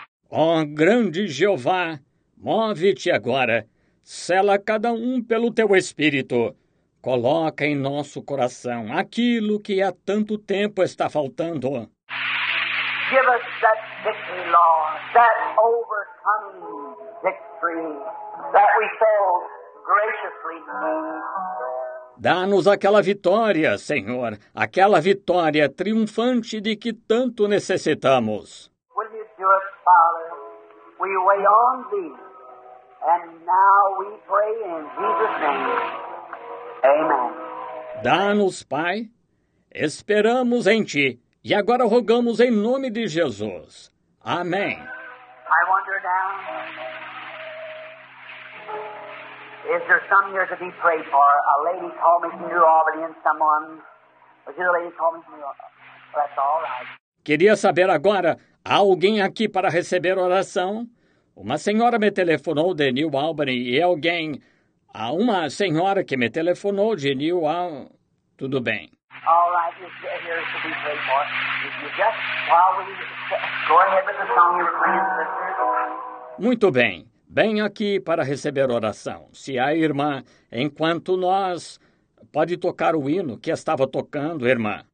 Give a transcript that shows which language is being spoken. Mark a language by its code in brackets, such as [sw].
[pt] Ó grande Jeová, move-te agora, sela cada um pelo teu Espírito. Coloca em nosso coração aquilo que há tanto tempo está faltando. [en] Give us that victory, Lord, that overcoming victory that we so graciously need. [pt] Dá-nos aquela vitória, Senhor, aquela vitória triunfante de que tanto necessitamos. [en] Will you do it, Father? We wait on thee, and now we pray in Jesus' name. Amen. [pt] Dá-nos, Pai, esperamos em Ti, e agora rogamos em nome de Jesus. Amém. [en] I wonder now, is there some here to be prayed for? A lady called me from New Orleans, someone. Was it a lady called me from New Orleans? That's all right. [pt] Queria saber agora, há alguém aqui para receber oração? Uma senhora me telefonou de New Albany e alguém... Há uma senhora que me telefonou de New Albany... Tudo bem. [en] All right, here's to be prayed for. If you just, while we... Go ahead with the song you're playing, sister. [pt] Muito bem. Bem aqui para receber oração. Se a irmã, enquanto nós... Pode tocar o hino que estava tocando, irmã.